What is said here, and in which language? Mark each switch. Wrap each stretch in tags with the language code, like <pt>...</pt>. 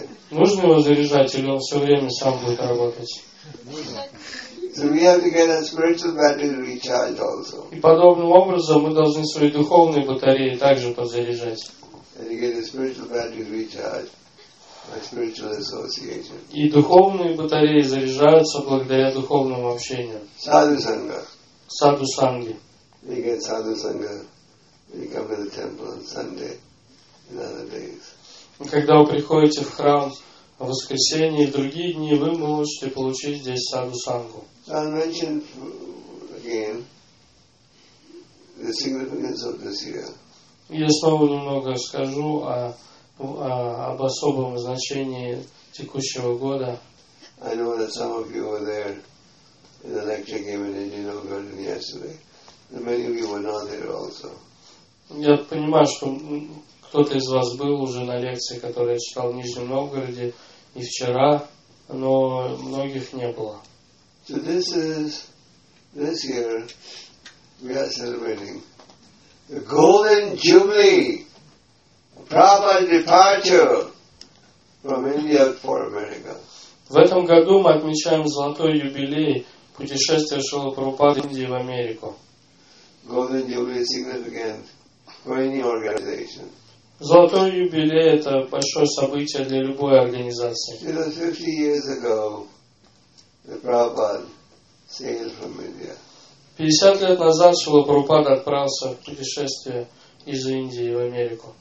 <ru>Нужно его заряжать, или он все время сам будет работать?</ru> <en>So we have to get our spiritual battery recharged also.</en> <ru>И подобным образом мы должны свои духовные батареи также подзаряжать.</ru> <en>And you get the spiritual batteries recharged by spiritual association.</en> <ru>И духовные батареи заряжаются благодаря духовному общению.</ru> <sa>Sadhu sangha. Sadhu sangha.</sa> <en>You get sadhu sangha when you come to the temple on Sunday and other days.</en> <ru>Когда вы приходите в храм в воскресенье и другие дни, вы можете получить здесь sadhu sangha.</ru> <en>So I mentioned again the significance of this year.</en> <ru>Я снова немного скажу об особом значении текущего года.</ru> <en>I know that some of you were there in the lecture given in Indian Garden yesterday. And many of you were not there also.</en> <ru>Я понимаю, что кто-то из вас был уже на лекции, которую я читал в Нижнем Новгороде и вчера, но многих не было.</ru> <en>So this year we are celebrating the Golden Jubilee, Prabhupada's departure from India for America.</en> <ru>В этом году мы отмечаем золотой юбилей путешествия Шрилы Прабхупады из Индии в Америку.</ru> <en>Golden Jubilee is significant for any organization.</en> <ru>Золотой юбилей — это большое событие для любой организации.</ru> <en>It was 50 years ago that Prabhupada sailed from India.</en> <ru>50 лет назад Шрила Прабхупада отправился в путешествие из Индии в Америку.</ru>